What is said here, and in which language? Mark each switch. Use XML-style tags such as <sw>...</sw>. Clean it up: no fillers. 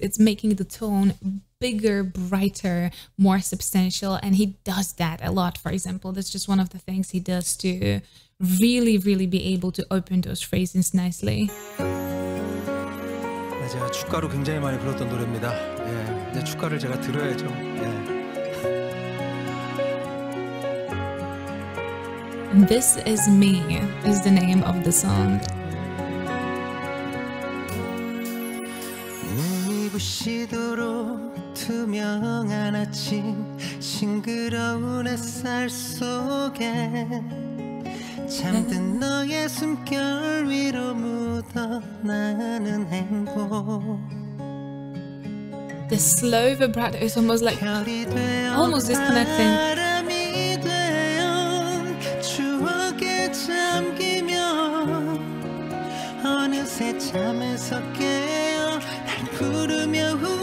<en>It's making the tone bigger, brighter, more substantial, and he does that a lot. For example, that's just one of the things he does to really, really be able to open those phrases nicely.</en> <ko>제가 축가로 굉장히 많이 불렀던 노래입니다. 예, 이제 축가를 제가 들어야죠. 예.</ko> <en>This is me is the name of the song.</en> <ko>눈이 부시도록 투명한 아침 싱그러운 햇살 속에 잠든 너의 숨결 위로 묻어나는 행복.</ko> <en>The slow vibrato is almost like almost disconnecting.</en> <ko>바람이 되어 추억에 잠기면 어느새 잠에서 깨어 날 부르며</ko>